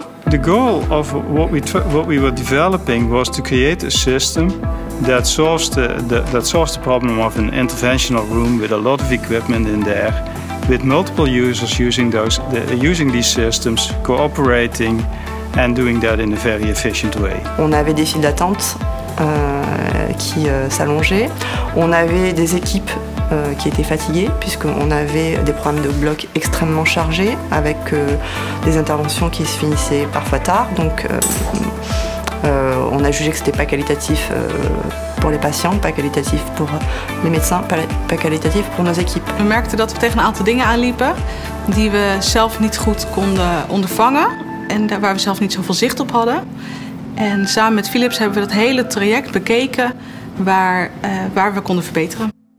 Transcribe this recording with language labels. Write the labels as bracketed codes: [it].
[en] The goal of what we were developing was to create a system that solves the problem of an interventional room with a lot of equipment in there, with multiple users using these systems, cooperating, and doing that in a very efficient way. [fr] On avait des files d'attente qui s'allongeaient. On avait des équipes qui étaient fatiguées puisqu'on avait des programmes de bloc extrêmement chargés avec des interventions qui se finissaient parfois tard. Donc on a jugé que c'était pas qualitatif pour les patients, pas qualitatif pour les médecins, pas qualitatif pour nos équipes. [nl] We merkten dat we tegen een aantal dingen aanliepen die we zelf niet goed konden ondervangen. En waar we zelf niet zoveel zicht op hadden. En samen met Philips hebben we dat hele traject bekeken waar we konden verbeteren.